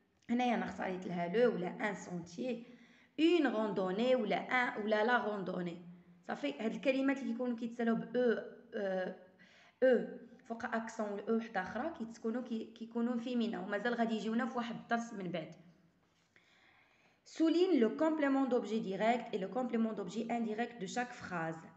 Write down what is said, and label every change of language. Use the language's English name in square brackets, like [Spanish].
[Arabic] هنا ينخصيت لها le ولا un sentier. [French] Une randonnée ولا un ولا la randonnée. [Arabic] Ça fait هذه الكلمات اللي يكونوا كيتسالوا ب e e فوق accent ال e واحدة أخرى كيتسكنوا كيكونوا فيمينه ومازال غادي يجيونا في واحد الدرس من بعد. [French] Souligne le complément d'objet direct et le complément d'objet indirect de chaque phrase.